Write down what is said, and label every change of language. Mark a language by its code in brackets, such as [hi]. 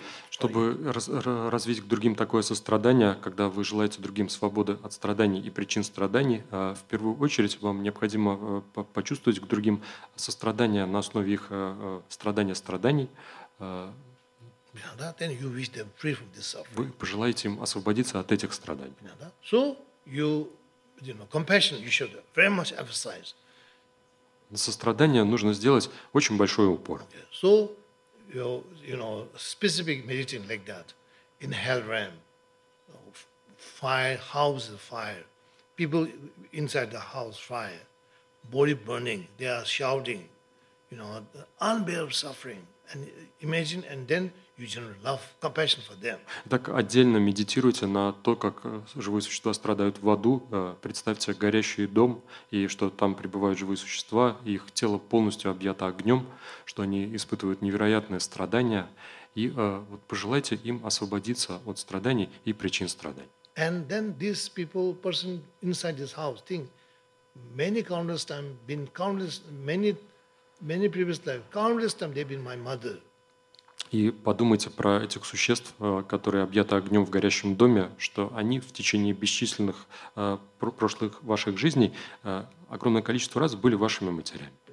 [ru] Чтобы развить к другим такое сострадание, когда вы желаете другим свободы от страданий и причин страданий, в первую очередь вам необходимо почувствовать к другим сострадание на основе их страданий. Вы пожелаете им освободиться от этих страданий. [en] So you know, compassion you should very much emphasize. [ru] На сострадание нужно сделать очень большой упор. [en] So you know, specific meditation like that in hell realm, fire houses fire, people inside the house fire, body burning, they are shouting, you know, unbearable suffering. And imagine, and then you generate love, compassion for them. [ru] Так отдельно медитируйте на то, как живые существа страдают в аду. Представьте горящий дом, и что там пребывают живые существа, их тело полностью объято огнем, что они испытывают невероятные страдания. И вот пожелайте им освободиться от страданий и причин страданий. [en] And then these people, person inside this house, think many countless times, been countless, many previous life, countless times they've been my mother. [ru] И подумайте про этих существ, которые объяты огнем в горящем доме, что они в течение бесчисленных прошлых ваших жизней огромное количество раз были вашими матерями.